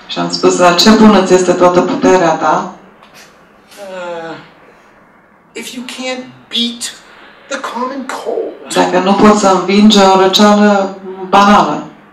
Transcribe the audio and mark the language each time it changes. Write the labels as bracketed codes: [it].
[ro] Și am spus, dar ce bună ți este toată puterea ta? [en] If you can't beat the common cold. [ro] Dacă nu poți să învingi o răceală banală.